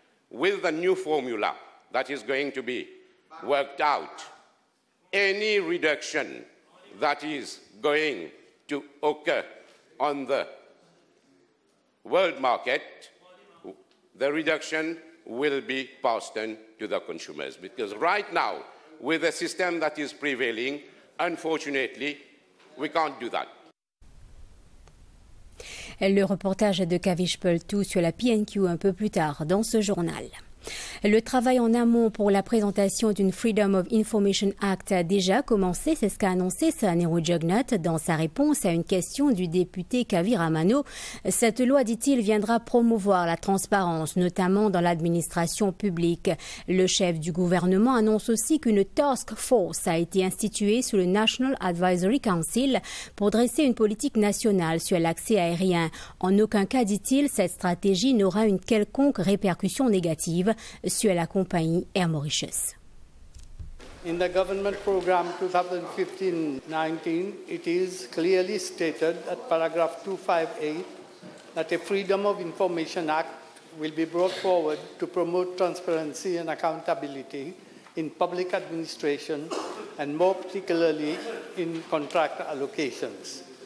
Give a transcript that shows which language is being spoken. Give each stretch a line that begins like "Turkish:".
English: With the new formula that is going to be worked out, any reduction that is going to occur on the world market, the reduction will be passed on to the consumers. Because right now, with the system that is prevailing, unfortunately, we can't do that.
French: Le reportage de Kavish Peltou sur la PNQ un peu plus tard dans ce journal. Le travail en amont pour la présentation d'une Freedom of Information Act a déjà commencé. C'est ce qu'a annoncé Saniru Jugnauth dans sa réponse à une question du député Kavir Amano. Cette loi, dit-il, viendra promouvoir la transparence, notamment dans l'administration publique. Le chef du gouvernement annonce aussi qu'une task force a été instituée sous le National Advisory Council pour dresser une politique nationale sur l'accès aérien. En aucun cas, dit-il, cette stratégie n'aura une quelconque répercussion négative sur la compagnie Air Mauritius.
English: In the government program 2015-19, it is clearly stated at paragraph 258 that a Freedom of Information Act will be brought forward to promote transparency and accountability in public administration and more particularly in contract allocations.